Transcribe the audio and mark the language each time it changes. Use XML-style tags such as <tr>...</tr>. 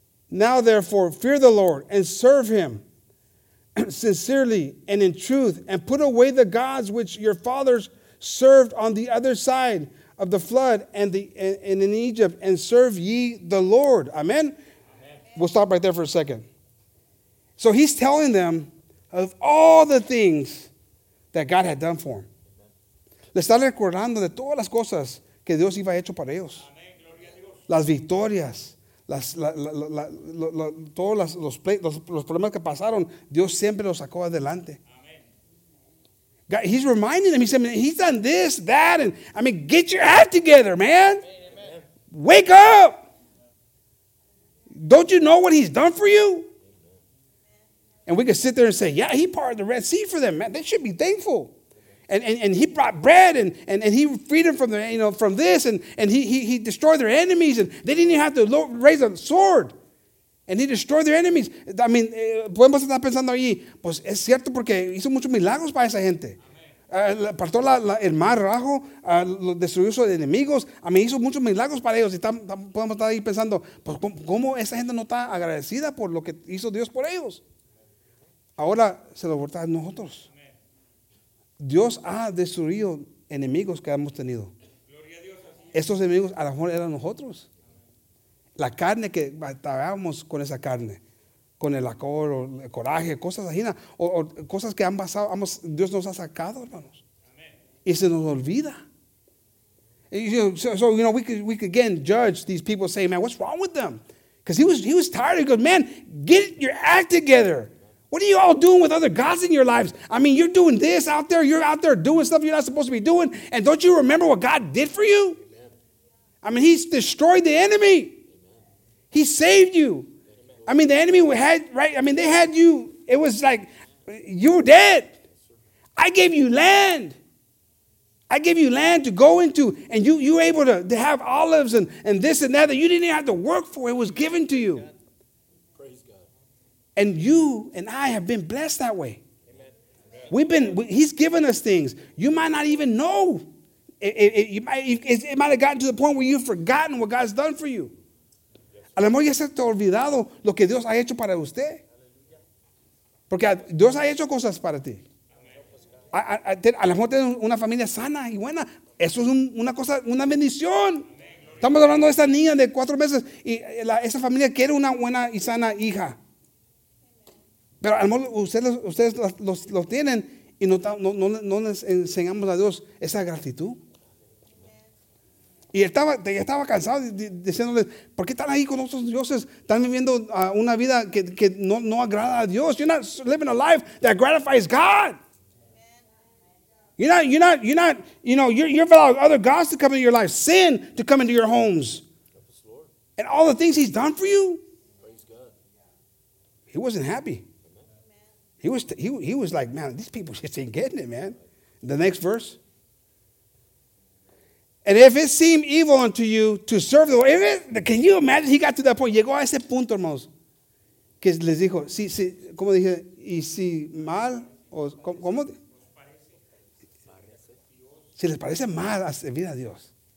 <en>Now, therefore, fear the Lord and serve him sincerely and in truth, and put away the gods which your fathers served on the other side of the flood and in Egypt, and serve ye the Lord. Amen? Amen. We'll stop right there for a second. So he's telling them of all the things that God had done for him.</en> <es>Le está recordando de todas las cosas que Dios iba hecho para ellos. Las victorias. Todos los problemas que pasaron, Dios siempre los sacó adelante.</es> <en>Amen. God, he's reminding them. He said, he's done this, that, and I mean, get your act together, man. Amen. Wake up. Don't you know what he's done for you? And we could sit there and say, yeah, he parted the Red Sea for them, man. They should be thankful. And he brought bread and he freed them from the, you know, from this, and he destroyed their enemies, and they didn't even have to raise a sword. And he destroyed their enemies. I mean,</en> <es>podemos estar pensando allí, pues es cierto porque hizo muchos milagros para esa gente. Partió el mar rojo, destruyó sus enemigos. A mí hizo muchos milagros para ellos. Y podemos estar ahí pensando, pues cómo esa gente no está agradecida por lo que hizo Dios por ellos. Ahora se lo vuelta a nosotros. Dios ha destruido enemigos que hemos tenido. Estos enemigos a lo mejor eran nosotros. La carne que batallábamos con esa carne, con el acor, o el coraje, cosas así, o cosas que han pasado, Dios nos ha sacado, hermanos. Amén. Y se nos olvida.</es> <en>So, you know, we could again judge these people, say, man, what's wrong with them? Because he was tired. He goes, man, get your act together. What are you all doing with other gods in your lives? I mean, you're doing this out there. You're out there doing stuff you're not supposed to be doing. And don't you remember what God did for you? Amen. I mean, he's destroyed the enemy. He saved you. I mean, the enemy had, right? I mean, they had you. It was like, you were dead. I gave you land. I gave you land to go into. And you were able to have olives and this and that. You didn't even have to work for it. It was given to you. Praise God. And you and I have been blessed that way. Amen. We've been, he's given us things. You might not even know. It might have gotten to the point where you've forgotten what God's done for you.</en> <es>A lo mejor ya se te ha olvidado lo que Dios ha hecho para usted. Porque Dios ha hecho cosas para ti. A lo mejor tienes una familia sana y buena. Eso es una cosa, una bendición. Estamos hablando de esta niña de 4 meses. Y esa familia quiere una buena y sana hija. Pero a lo mejor ustedes los tienen y no les enseñamos a Dios esa gratitud. Y estaba cansado diciéndoles, ¿por qué están ahí con otros dioses? Están viviendo una vida que no agrada a Dios.</es> <en>You're not living a life that gratifies God. You're not, you know, you're allowing other gods to come into your life, sin to come into your homes. And all the things he's done for you. He wasn't happy. He was like, man, these people just ain't getting it, man. The next verse. And if it seem evil unto you to serve the Lord, can you imagine he got to that point?</en> <es>Llegó a ese punto, hermanos, que les dijo, si, como dije, y si mal, o como, si les parece mal a servir a Dios.</es>